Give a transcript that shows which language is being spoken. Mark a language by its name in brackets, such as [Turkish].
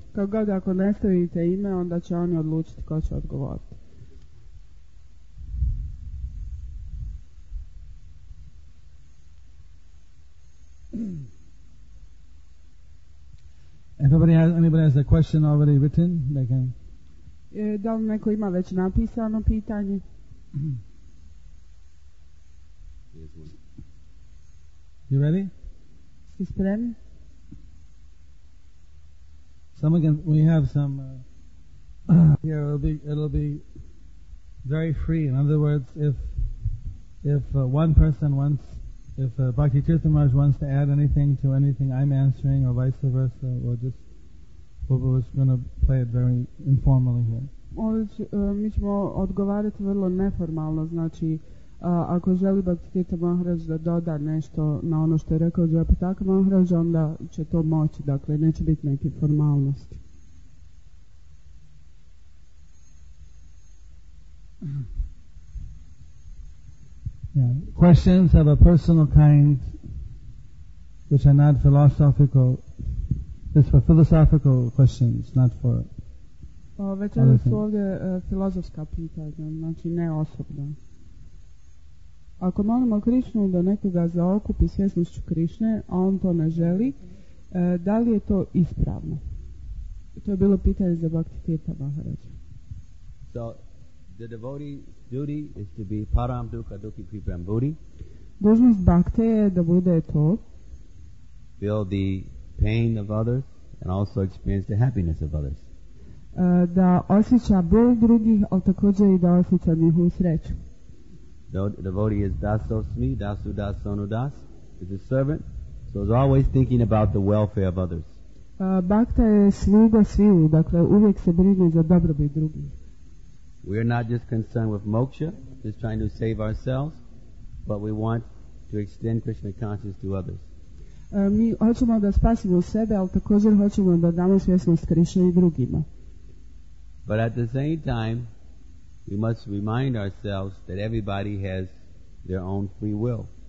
[Bosnian] Kako god, ako ne stavite ime, onda će oni odlučiti ko će odgovoriti. [English] Anybody has a question already written, they can... [Bosnian] Da li neko ima već napisano pitanje? [English] You ready? [Bosnian] Si spremni? [English] Here it'll be very free. In other words, if Bhakti Tirtha Maharaj wants to add anything to anything I'm answering or vice versa, we're just going to play it very informally here. Mi ćemo odgovarati vrlo neformalno, znači ako želi Bhakti Tirtha Maharaj da doda nešto na ono što je rekao Japitaka Maharaj, onda će to moći, dakle neće biti neke formalnosti. Yeah. Questions have a personal kind which are not philosophical. It's for philosophical questions, not for [Bosnian] Večera su ovdje filozofska pitanja, znači ne osobna. Ako molimo Krišnu da nekoga zaokupi svjesnošću Krišne, a on to ne želi, da li je to ispravno? To je bilo pitanje za Bhakti Tirtha Maharaja. [English] So, the devotee's duty is to be [Sanskrit] param dukha dukhi kripam buddhi. [Bosnian] Dužnost bhakte je da bude to. [English] Feel the pain of others and also experience the happiness of others. [Bosnian] Da osjeća bol drugih, ali također i da osjeća njihovu sreću. [English] The devotee is daso smi, dasu dasonu das, is a servant, so is always thinking about the welfare of others. [Bosnian] Bhakta je sluga sviju, dakle uvijek se brine za dobrobit drugih. [English] We are not just concerned with moksha, just trying to save ourselves, but we want to extend Krishna consciousness to others. [Bosnian] Mi hoćemo da spasimo sebe, ali također hoćemo da damo svjesnost Krišne i drugima. [English] But at the same time, we must remind ourselves that everybody has their own free will.